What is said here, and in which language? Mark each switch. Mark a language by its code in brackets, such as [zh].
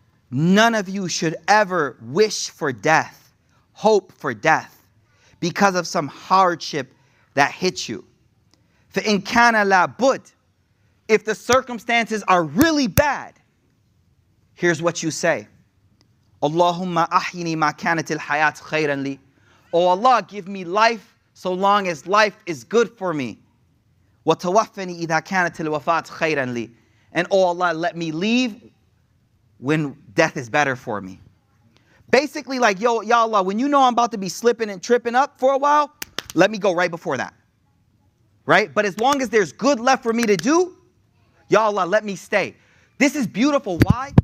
[en] None of you should ever wish for death, hope for death, because of some hardship that hits you. [ar] فَإِنْ كَانَ لَابُدْ. [en] If the circumstances are really bad, here's what you say. [ar] اللهم أحيني ما كانت الحياة خيرا لي. [en] Oh Allah, give me life so long as life is good for me. [ar] وتوفني إذا كانت الوفاة خيرا لي. [en] And oh Allah, let me leave when death is better for me. Basically like, yo, ya Allah, when you know I'm about to be slipping and tripping up for a while, let me go right before that. Right? But as long as there's good left for me to do, ya Allah, let me stay. This is beautiful. Why?